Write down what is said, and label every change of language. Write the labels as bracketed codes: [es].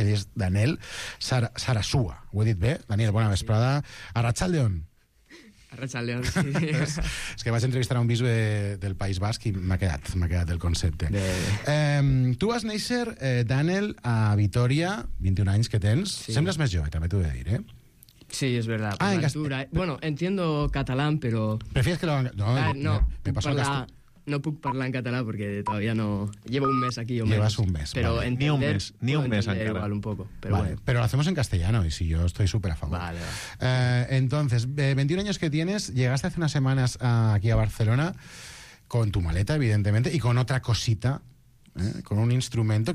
[ca] Ell és Daniel Sarasua. Ho he dit bé? Daniel, bona vesprada. Arratsaldeon. [eu] Arratsaldeon, sí. [ca] És que vaig entrevistar a un bisbe del País Basc i m'ha quedat el concepte. Tu vas néixer, Daniel, a Vitoria, 21 anys que tens. Sí. Sembles més jove, també t'ho he de dir, eh? [es] Sí, es verdad. Ah, bueno, entiendo catalán, pero... ¿Prefieres que lo hagan...? [ca] No, no puc parlar en català perquè [es] todavía no... Llevo un mes aquí o menos. Llevas un mes, pero vale. [ca] Ni un mes, ni un mes encara. [es] Igual un poco, pero vale. Bueno. Pero lo hacemos en castellano y si yo estoy súper a favor. Vale. Entonces, 21 años que tienes, llegaste hace unas semanas aquí a Barcelona con tu maleta, evidentemente, y con otra cosita, con un instrumento.